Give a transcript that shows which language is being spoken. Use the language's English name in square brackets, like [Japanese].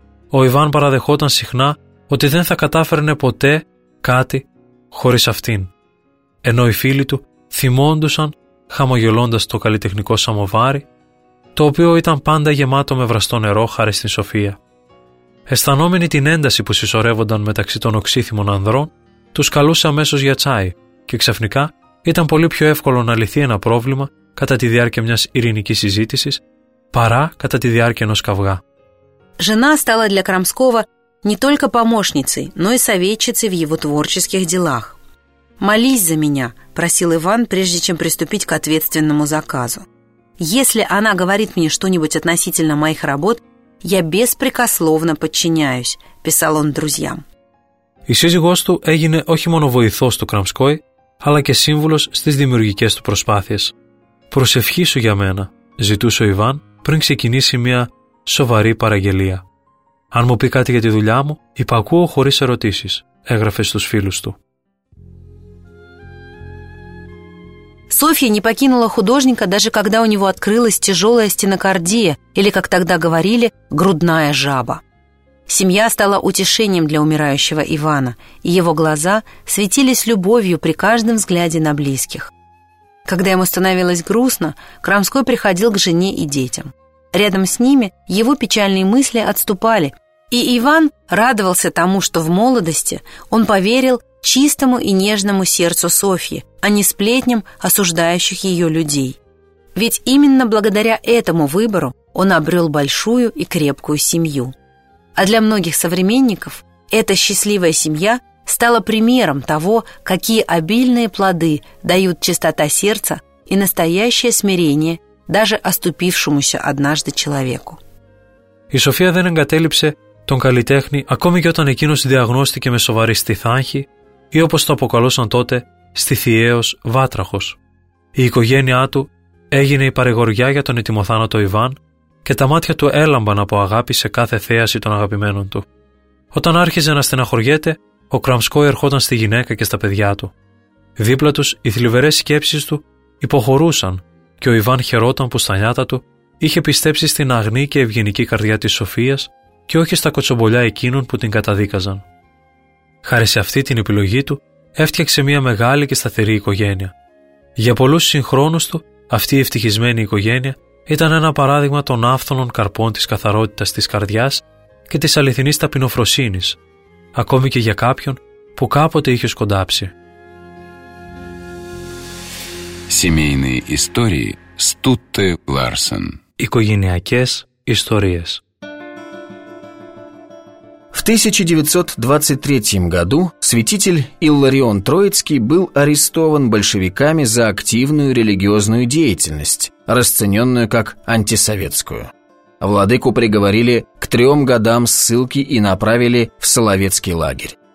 [Greek] Ο Ιβάν παραδεχόταν συχνά ότι δεν θα κατάφερνε ποτέ κάτι χωρίς αυτήν, ενώ οι φίλοι του θυμόντουσαν χαμογελώντας το καλλιτεχνικό σαμοβάρι, το οποίο ήταν πάντα γεμάτο με βραστό νερό χάρη στην Σοφία. Αισθανόμενη την ένταση που συσσωρεύονταν μεταξύ των οξύθυμων ανδρών, τους καλούσε αμέσως για τσάι και ξαφνικά ήταν πολύ πιο εύκολο να λυθεί ένα πρόβλημα κατά τη διάρκεια μιας ειρηνικής συζήτησης παρά κατά τη διάρκεια ενός καυγά. [Russian] Жена стала для Крамского не только помощницей, но и советчицей в его творческих делах. «Молись за меня», – просил Иван, прежде чем приступить к ответственному заказу. «Если она говорит мне что-нибудь относительно моих работ, я беспрекословно подчиняюсь», – писал он друзьям. [Greek] Η σύζυγός του έγινε όχι μόνο βοηθός του Крамской, αλλά και σύμβουλος στις δημιουργικές του προσπάθειες. «Προσευχή σου για μένα», – ζητούσε ο Ιβάν πριν ξεκινήσει μια σοβαρή παραγγελία. «Αν μου πει κάτι για τη δουλειά μου, υπακούω χωρίς ερωτήσεις», έγραφε στους φίλους του. [Russian] Софья не покинула художника, даже когда у него открылась тяжелая стенокардия, или, как тогда говорили, грудная жаба. Семья стала утешением для умирающего Ивана, и его глаза светились любовью при каждом взгляде на близких. Когда ему становилось грустно, Крамской приходил к жене и детям. Рядом с ними его печальные мысли отступали, и Иван радовался тому, что в молодости он поверил чистому и нежному сердцу Софьи, а не сплетням осуждающих ее людей. Ведь именно благодаря этому выбору он обрел большую и крепкую семью. А для многих современников эта счастливая семья стала примером того, какие обильные плоды дают чистота сердца и настоящее смирение даже оступившемуся однажды человеку. [Greek] Η Σοφία δεν εγκατέλειψε τον καλλιτέχνη ακόμη και όταν εκείνος διαγνώστηκε με σοβαρή στιθάχη ή όπως το αποκαλούσαν τότε, στιθιαίος βάτραχος. Η οικογένειά του έγινε η παρηγοριά για τον ετοιμοθάνατο Ιβάν και τα μάτια του έλαμπαν από αγάπη σε κάθε θέαση των αγαπημένων του. Όταν άρχιζε να στεναχωριέται, ο Κραμσκόη ερχόταν στη γυναίκα και στα παιδιά του. Δίπλα τους οι θλιβερές σκέψεις του υποχωρούσαν και ο Ιβάν χαιρόταν που στα νιάτα του είχε πιστέψει στην αγνή και ευγενική καρδιά της Σοφίας και όχι στα κοτσομπολιά εκείνων που την καταδίκαζαν. Χάρη σε αυτή την επιλογή του έφτιαξε μια μεγάλη και σταθερή οικογένεια. Για πολλούς συγχρόνους του αυτή η ευτυχισμένη οικογένεια ήταν ένα παράδειγμα των άφθονων καρπών της καθαρότητας της καρδιάς και της αληθινής ταπεινοφροσύνης, ακόμη και για κάποιον που κάποτε είχε σκοντάψει. [Russian] Семейные истории Стутте Ларсен. [Greek] Οικογενειακές ιστορίες. [Russian] В 1923 году святитель Илларион Троицкий был арестован большевиками за активную религиозную деятельность, расцененную как антисоветскую. Владыку приговорили к 3 годам ссылки и направили в Соловецкий лагерь.